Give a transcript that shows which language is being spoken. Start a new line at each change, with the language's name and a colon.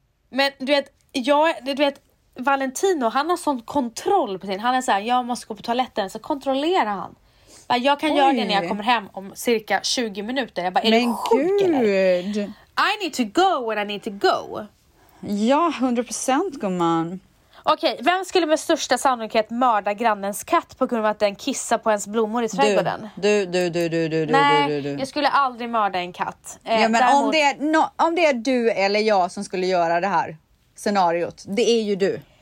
Swedish: Men du vet, jag, du vet, Valentino, han har sån kontroll på sin, han är så här, jag måste gå på toaletten, så kontrollerar han. Jag kan göra det när jag kommer hem om cirka 20 minuter. Jag bara, är men du sjuk gud. Eller?
English: I need to go when I need to go.
Swedish: Ja, 100% gumman. Okej, okay, vem skulle med största sannolikhet mörda grannens katt på grund av att den kissar på ens blommor i trädgården? Du. Nej, du. Jag skulle aldrig mörda en katt. Ja, men däremot, om det är du eller jag som skulle göra det här scenariot, det är ju du.